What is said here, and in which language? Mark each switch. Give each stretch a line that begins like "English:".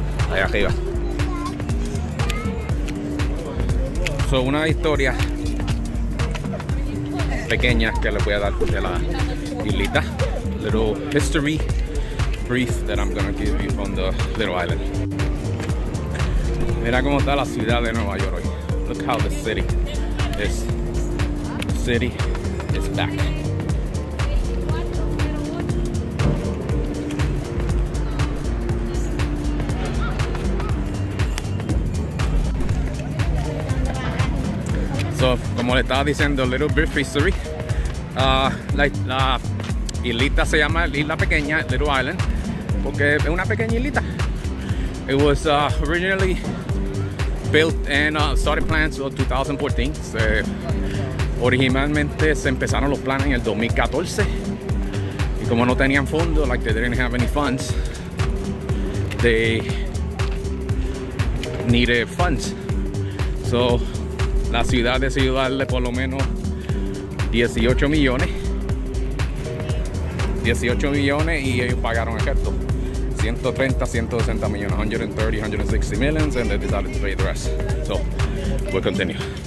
Spanish: Ahí arriba. So, una historia pequeña que les voy a dar de la islita.
English: Little history brief that I'm gonna give you from the little island.
Spanish: Mira cómo está la ciudad de Nueva York hoy.
English: Look how the city is. City is back.
Spanish: So, como le estaba diciendo,
English: a little brief history.
Spanish: La islita se llama Isla Pequeña, Little Island, porque es una pequeña islita.
English: It was originally built and started plans in 2014.
Spanish: Originalmente se empezaron los planes en el 2014. Y como no tenían fondos,
English: like they didn't have any funds, they needed funds.
Spanish: So, la ciudad decidió darle por lo menos 18 millones. 18 millones y ellos pagaron el resto. 130, 160 millones. 130, 160 millones.
English: And they decided to pay the rest. So, we'll continue.